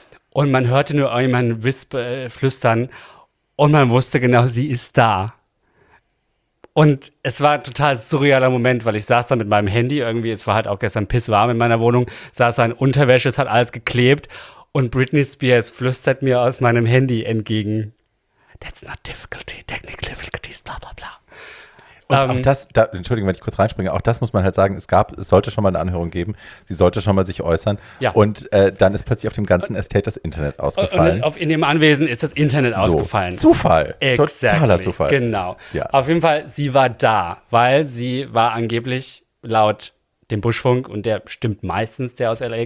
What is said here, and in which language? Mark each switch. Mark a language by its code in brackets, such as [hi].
[de] Und man hörte nur irgendjemanden flüstern und man wusste genau, sie ist da. Und es war ein total surrealer Moment, weil ich saß da mit meinem Handy irgendwie, es war halt auch gestern pisswarm in meiner Wohnung, saß da in Unterwäsche, es hat alles geklebt und Britney Spears flüstert mir aus meinem Handy entgegen. [en] That's not difficulty, technical difficulties, bla bla bla. [de] Und Entschuldigung, wenn ich kurz reinspringe, auch das muss man halt sagen, es sollte schon mal eine Anhörung geben, sie sollte schon mal sich äußern. Ja. Und dann ist plötzlich auf dem ganzen Estate das Internet ausgefallen. Und in dem Anwesen ist das Internet ausgefallen. Zufall. [en] Exactly. [de] Totaler Zufall. Genau. Ja. Auf jeden Fall, sie war da, weil sie war angeblich laut dem Buschfunk, und der stimmt meistens, der aus L.A.